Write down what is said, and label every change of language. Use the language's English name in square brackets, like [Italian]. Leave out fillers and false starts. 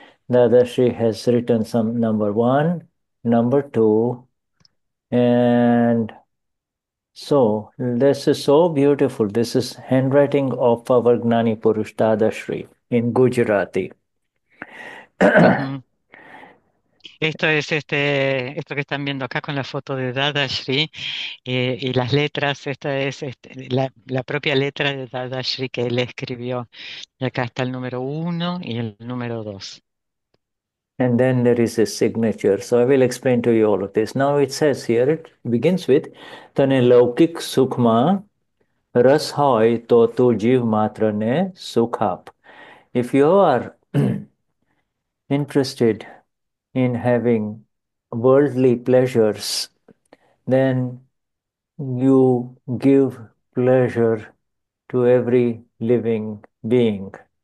[English] Dadashri has written some number one, number two, and so this is so beautiful. This is handwriting of our Gnani Purush Dadashri in Gujarati. [Spanish] Esto es esto que están viendo acá con la foto de Dadashri y las letras. Esta es la propia letra de Dadashri que él escribió. Y acá está el número 1 y el número 2. [English] And then there is a signature. So I will explain to you all of this. Now it says here, it begins with [Gujarati] Tane laukik sukma ras hoy to tu jiv matra ne sukhap. [English] If you are interested in having worldly pleasures, then you give pleasure to every living being.